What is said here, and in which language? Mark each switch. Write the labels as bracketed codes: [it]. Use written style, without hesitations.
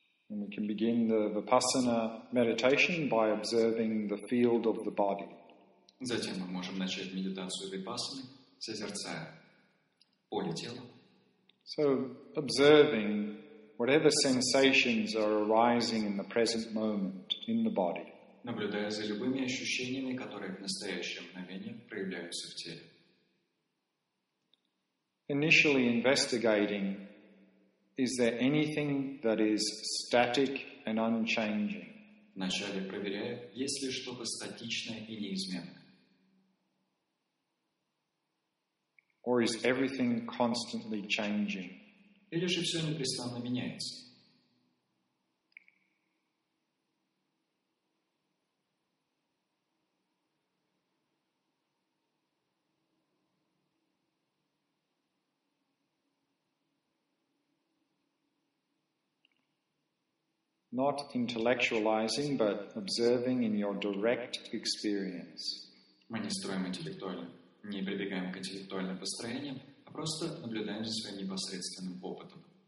[en] And we can begin the Vipassana meditation by observing the field of the body. [ru] Затем мы можем начать медитацию Випассаны, созерцая поле тела. [en] So observing whatever sensations are arising in the present moment in the body. [ru] Наблюдая за любыми ощущениями, которые в настоящее мгновение проявляются в теле. [en] Initially investigating, is there anything that is static and unchanging? [ru] Вначале проверяю, есть ли что-то статичное и неизменное. [en] Or is everything constantly changing? [ru] Или же все непрестанно меняется? [en] Not intellectualizing, but observing in your direct experience. [ru] Мы не строим интеллектуально, не прибегаем к интеллектуальным построениям, а просто наблюдаем за своим непосредственным опытом.